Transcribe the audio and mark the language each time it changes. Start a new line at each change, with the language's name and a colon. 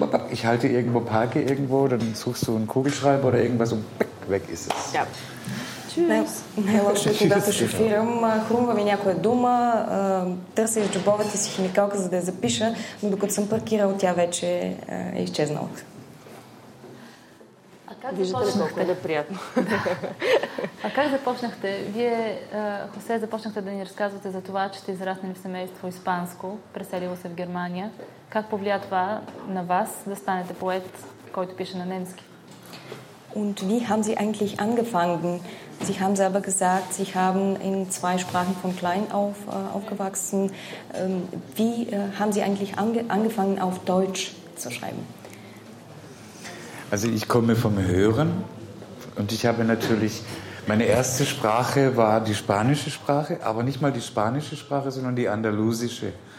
German: Ich halte irgendwo, parke irgendwo, dann suchst du einen Kugelschreiber oder irgendwas und weg ist es. Ja.
Bulgarian: Най-лошо е, когато шофирам, хрумва ми някоя дума, търся из джобовете си химикалка, за да я запиша, но докато съм паркирал, тя вече е изчезнала. А как започнахте? Да, приятно. А как започнахте? Вие, Хосе, започнахте да ни разказвате за това, че сте израснали в семейство испанско, преселило се в Германия. Как повлия това на вас да станете поет, който пише на немски?
German: Und wie haben Sie eigentlich angefangen? Sie haben selber gesagt, Sie haben in zwei Sprachen von klein auf aufgewachsen. Wie haben Sie eigentlich angefangen, auf Deutsch zu schreiben? Also ich komme vom Hören und ich habe natürlich, meine erste Sprache war die spanische Sprache, aber nicht mal die spanische Sprache, sondern die andalusische.